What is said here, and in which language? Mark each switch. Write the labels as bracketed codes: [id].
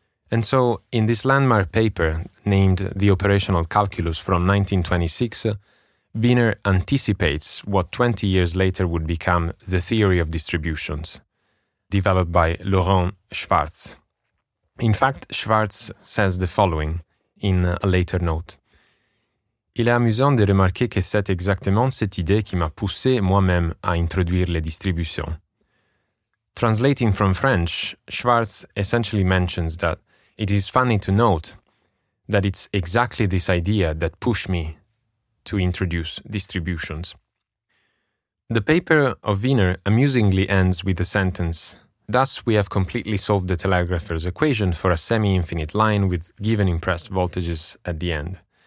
[en] And so in this landmark paper named The Operational Calculus from 1926, Wiener anticipates what 20 years later would become the theory of distributions, developed by Laurent Schwartz. In fact, Schwartz says the following in a later note. [fr] Il est amusant de remarquer que c'est exactement cette idée qui m'a poussé moi-même à introduire les distributions. [en] Translating from French, Schwartz essentially mentions that it is funny to note that it's exactly this idea that pushed me to introduce distributions. The paper of Wiener amusingly ends with the sentence, "Thus we have completely solved the telegrapher's equation for a semi-infinite line with given impressed voltages at the end."